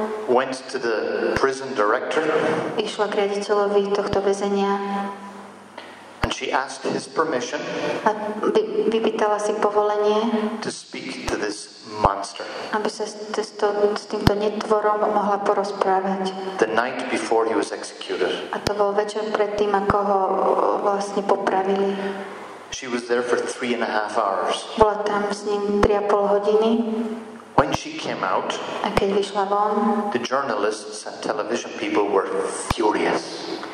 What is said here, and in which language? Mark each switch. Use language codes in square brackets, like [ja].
[en] Went to the prison director. [sk] Išla k riaditeľovi tohto väzenia. [en] And she asked his permission. [sk] A vypýtala si povolenie. [en] To speak to this monster. [sk] Aby sa s týmto netvorom mohla porozprávať. [en] The night before he was executed. [sk] A to bol večer predtým, ako ho vlastne popravili. [en] She was there for 3.5 hours. [sk] Bola tam s ním 3,5 hodiny. [en] When she came out, [sk] a keď vyšla von, [en] the journalists and television people were furious.